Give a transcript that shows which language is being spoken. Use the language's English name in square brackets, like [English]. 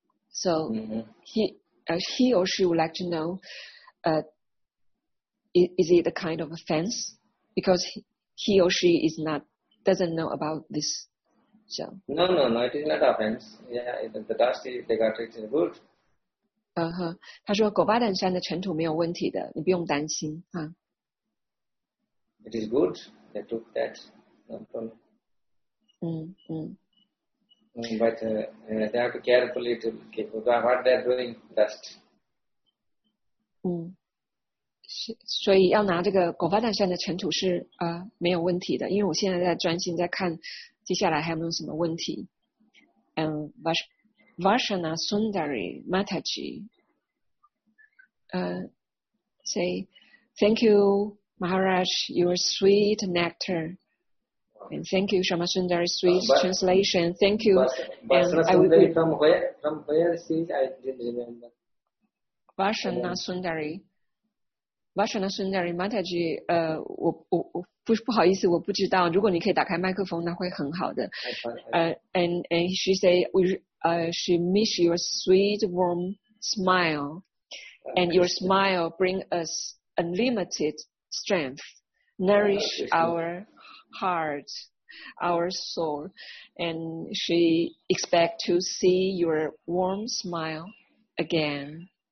[English] So he or she would like to know, is it a kind of offense? Because he or she doesn't know about this. So. No, it is not offense. Yeah, the dust, they got it in the wood. [Chinese] 他说狗巴旦山的尘土没有问题的，你不用担心啊。 [English] It is good. They took that. No problem. But they have to carefully to what they are doing dust. [Chinese] 所以要拿这个狗巴旦山的尘土是没有问题的，因为我现在在专心在看接下来还有没有什么问题。 [English] Varshana Sundari Mataji say, thank you, Maharaj, your sweet nectar. And thank you, Shama Sundari's sweet translation. Thank you. Varshana Sundari from where she is, I didn't remember. [Chinese] Varshana Sundari Mataji, 我不好意思，我不知道。如果你可以打开麦克风，那会很好的。 [English] And she say she miss your sweet warm smile, and your smile bring us unlimited strength, nourish our heart, our soul, and she expect to see your warm smile again.